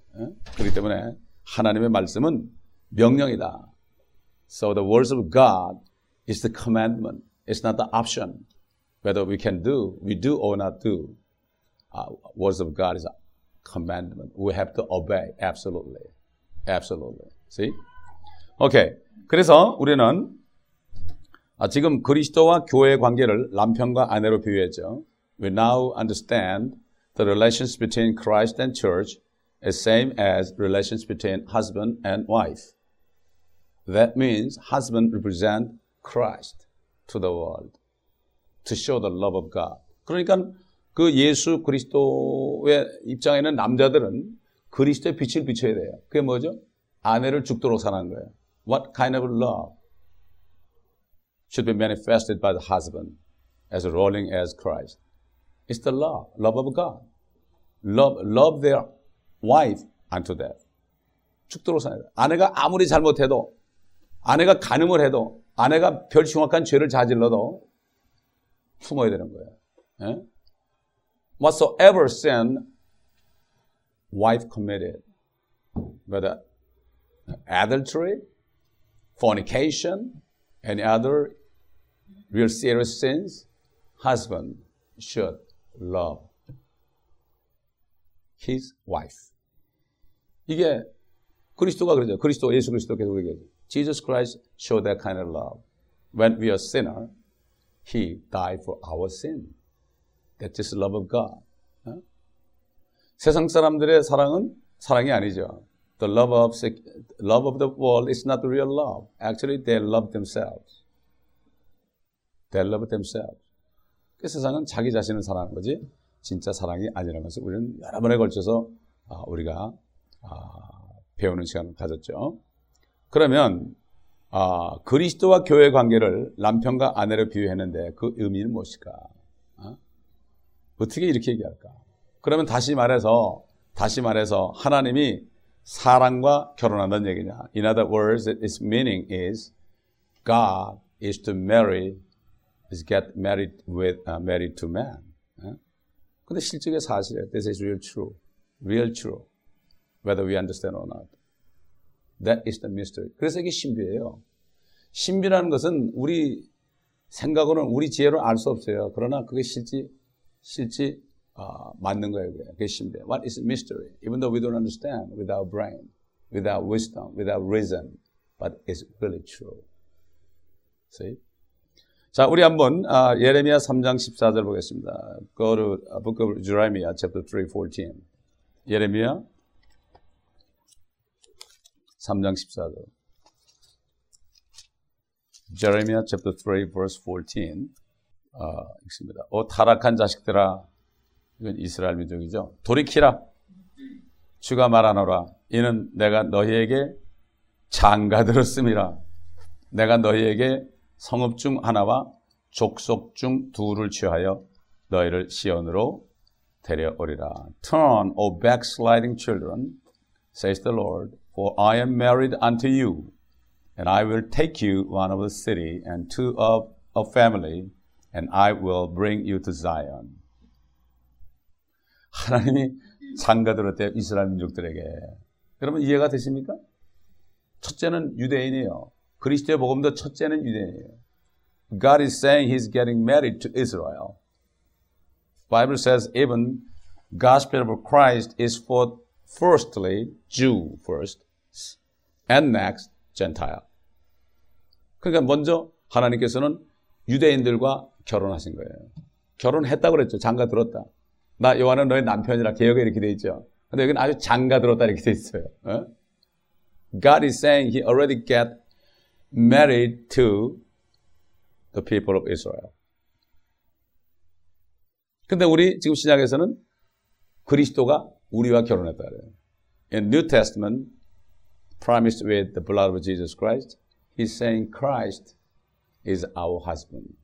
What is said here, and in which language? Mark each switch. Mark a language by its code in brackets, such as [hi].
[ko] 그렇기 때문에 하나님의 말씀은 명령이다. [en] So the words of God is the commandment. It's not the option. Whether we can do, we do or not do. Words of God is a commandment. We have to obey. Absolutely. See? Okay. [ko] 그래서 우리는 지금 그리스도와 교회의 관계를 남편과 아내로 비유했죠. [en] We now understand the relations between Christ and church is same as relations between husband and wife. That means husband represents Christ to the world to show the love of God. [ko] 그러니까 그 예수 그리스도의 입장에 있는 남자들은 그리스도의 빛을 비춰야 돼요. 그게 뭐죠? 아내를 죽도록 사랑한 거예요. [en] What kind of love should be manifested by the husband as ruling as Christ? It's the love of God. Love their wife unto death. [ko] 죽도록 사랑해. 아내가 아무리 잘못해도, 아내가 간음을 해도, 아내가 별 흉악한 죄를 저질러도 품어야 되는 거예요. [en] 예? Whatsoever sin wife committed, whether adultery, fornication, any other real serious sins, husband should love his wife. [ko] 이게 그리스도가 그러죠. 그리스도, 예수 그리스도 계속 얘기해요. [en] Jesus Christ showed that kind of love. When we are sinner, he died for our sin. That is love of God. [ko] 세상 사람들의 사랑은 사랑이 아니죠. [en] The love of the world is not the real love. Actually, they love themselves. They love themselves. [ko] 그 세상은 자기 자신을 사랑하는 거지 진짜 사랑이 아니라는 것을 우리는 여러 번에 걸쳐서 우리가 배우는 시간을 가졌죠. 그러면 그리스도와 교회 관계를 남편과 아내로 비유했는데 그 의미는 무엇일까? 어떻게 이렇게 얘기할까? 그러면 다시 말해서 하나님이 사랑과 결혼한다는 얘기냐? [en] In other words, its meaning is God is to marry is get married with married to man. [ko] 근데 실제 사실이에요. [en] This is real true. Real true. Whether we understand or not. That is the mystery. [ko] 그래서 이게 신비예요. 신비라는 것은 우리 생각으로는 우리 지혜로 알 수 없어요. 그러나 그게 실제 맞는 거예요. 그게 신비예요. [en] What is mystery? Even though we don't understand without brain, without wisdom, without reason, but it's really true. See? [ko] 자, 우리 한번 예레미야 3장 14절 보겠습니다. [en] Go to book of Jeremiah chapter 3:14. [ko] 예레미야 3장 14절. [en] Jeremiah chapter 3 verse 14. [ko] 읽습니다. 오 타락한 자식들아. 이건 이스라엘 민족이죠. 돌이키라. 주가 말하노라. 이는 내가 너희에게 장가 들었음이라. 내가 너희에게 성읍 중 하나와 족속 중 둘을 취하여 너희를 시온으로 데려오리라. [en] Turn, O backsliding children, says the Lord, for I am married unto you, and I will take you one of a city and two of a family, and I will bring you to Zion. [ko] 하나님이 장가 들었대요, 이스라엘 민족들에게. 여러분, 이해가 되십니까? 첫째는 유대인이요. 그리스도의 복음도 첫째는 유대인이에요. [en] God is saying he's getting married to Israel. Bible says even gospel of Christ is for firstly Jew first and next Gentile. [ko] 그러니까 먼저 하나님께서는 유대인들과 결혼하신 거예요. 결혼했다고 그랬죠. 장가 들었다. 나 요한은 너의 남편이라 개역에 이렇게 돼 있죠. 근데 여기는 아주 장가 들었다 이렇게 돼 있어요. 어? [en] God is saying he already get married to the people of Israel. [ko] 근데 우리 지금 신약에서는 그리스도가 우리와 결혼했다 그래요. [en] In New Testament, promised with the blood of Jesus Christ, he's saying Christ is our husband.